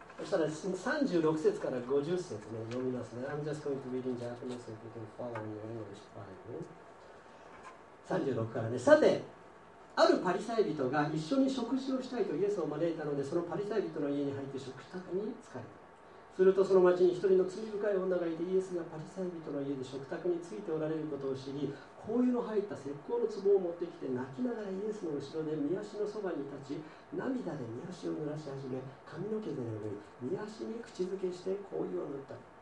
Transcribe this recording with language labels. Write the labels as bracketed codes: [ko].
[ja] So, 36節から50節ね、読みますね。 [en] I'm just going to read in Japanese, if you can follow me in English Bible. [ja] 36からね。さて、あるパリサイ人が一緒に食事をしたいとイエスを招いたので、そのパリサイ人の家に入って食卓に着かれた。するとその町に一人の罪深い女がいて、イエスがパリサイ人の家で食卓についておられることを知り、香油の入った石膏の壺を持ってきて、泣きながらイエスの後ろで御足のそばに立ち、涙で御足を濡らし始め、髪の毛で拭い、御足に口づけして香油を塗った。